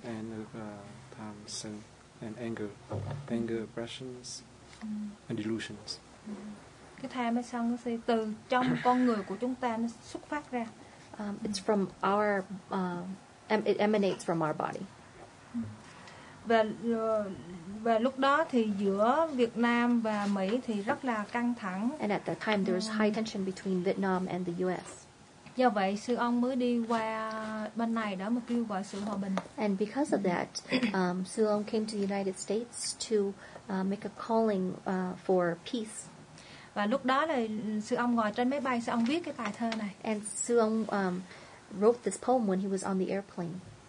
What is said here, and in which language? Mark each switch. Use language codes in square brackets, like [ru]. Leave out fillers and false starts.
[en] And tham, sân, and anger, aggressions, and delusions. [vi] Cái tham, cái sân, cái si từ trong con người của chúng ta nó xuất phát ra. [en] It's from our it emanates from our body. [vi] Và lúc đó thì giữa Việt Nam và Mỹ thì rất là căng thẳng. [en] And at that time there was high tension between Vietnam and the US. [vi] Do vậy sư ông mới đi qua bên này đó mà kêu gọi sự hòa bình. [en] And because of that, sư ông came to the United States to make a calling for peace. [vi] Và lúc đó là sư ông ngồi trên máy bay, sư ông viết cái bài thơ này. [en] And sư ông wrote this poem when he was on the airplane.